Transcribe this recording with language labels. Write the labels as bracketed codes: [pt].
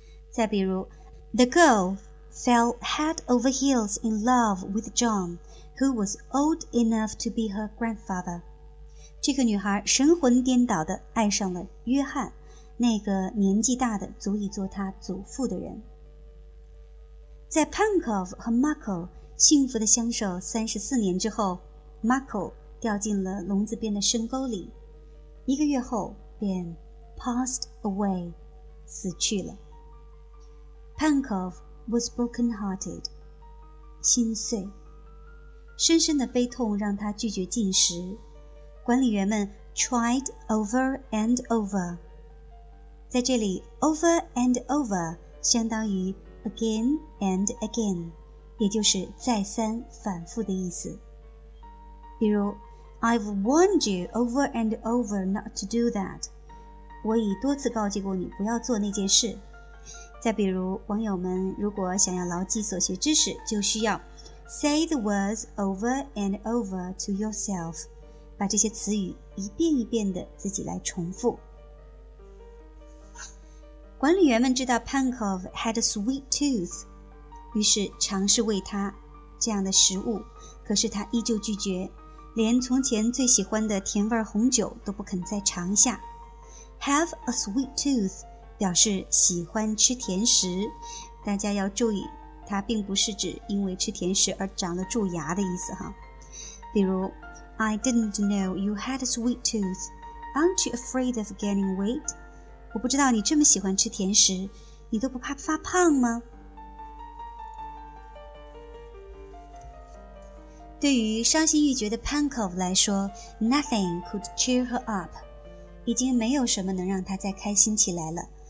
[zh] 再比如 [en] The girlfell head over heels in love with John, who was old enough to be her grandfather. [zh] 这个女孩神魂颠倒地爱上了约翰，那个年纪大的足以做她祖父的人。在 Pankow 和 Muckle 幸福地相守34年之后， Muckle 掉进了笼子边的深沟里，一个月后便 [en] passed away， [zh] 死去了。 [en] Pankow was broken-hearted, [zh] 心碎。深深的悲痛让他拒绝进食。管理员们 [en] tried over and over。 [zh] 在这里 , [en] over and over [zh] 相当于 [en] again and again, [zh] 也就是再三反复的意思。比如 [en] ,I've warned you over and over not to do that. [zh] 我已多次告诫过你不要做那件事。再比如，网友们如果想要牢记所学知识，就需要 [en] say the words over and over to yourself， [zh] 把这些词语一遍一遍的自己来重复。管理员们知道 Pankow [en] had a sweet tooth， [zh] 于是尝试喂他这样的食物，可是他依旧拒绝，连从前最喜欢的甜味红酒都不肯再尝一下。 [en] Have a sweet tooth [zh] 表示喜欢吃甜食。大家要注意，它并不是指因为吃甜食而长了蛀牙的意思哈。比如 [en] I didn't know you had a sweet tooth. Aren't you afraid of gaining weight? [zh] 我不知道你这么喜欢吃甜食，你都不怕发胖吗？对于伤心欲绝的 Pankov 来说， [en] Nothing could cheer her up， [zh] 已经没有什么能让她再开心起来了。